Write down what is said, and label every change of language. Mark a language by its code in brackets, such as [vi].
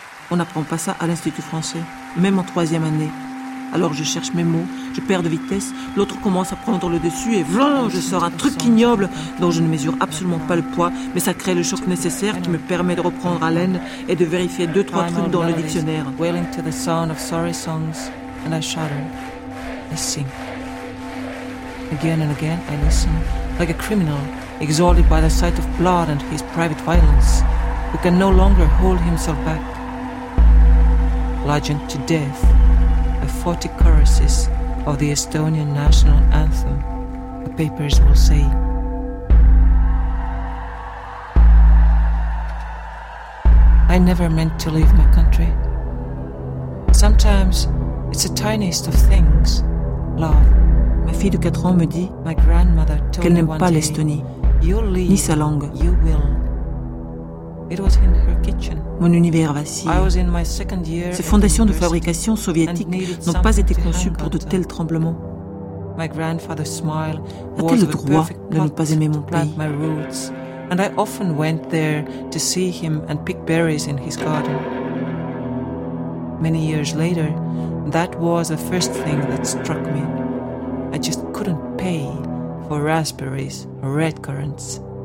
[fr] On n'apprend pas ça à l'Institut français, même en troisième année. Alors je cherche mes mots, je perds de vitesse, l'autre commence à prendre le dessus et vlan, je sors un truc ignoble dont je ne mesure absolument pas le poids, mais ça crée le choc nécessaire qui me permet de reprendre haleine et de vérifier deux, trois trucs dans le dictionnaire. [en] Wailing to the sound of sorry songs, and I shudder, I sing. Again and again, I listen, like a criminal. Exhausted by the sight of blood and his private violence, who can no longer hold himself back. Bludgeoned to death by 40 choruses of the Estonian national anthem, the papers will say. I never meant to leave my country. Sometimes it's the tiniest of things, love. [fr] Ma fille de 4 ans me dit [en] my grandmother told [fr] qu'elle n'aime pas l'Estonie. Ni sa langue. [en] You will. It was in her kitchen. [fr] Mon univers vacille. Ces fondations de fabrication soviétique n'ont pas été conçues pour de tels tremblements. [en] My grandfather smiled. [fr] A-t-elle le droit de ne pas aimer mon pays? [en] My roots. And I often went there to see him and pick berries in his garden. Many years later, that was the first thing that struck me. I just couldn't pay. For raspberries, red currants.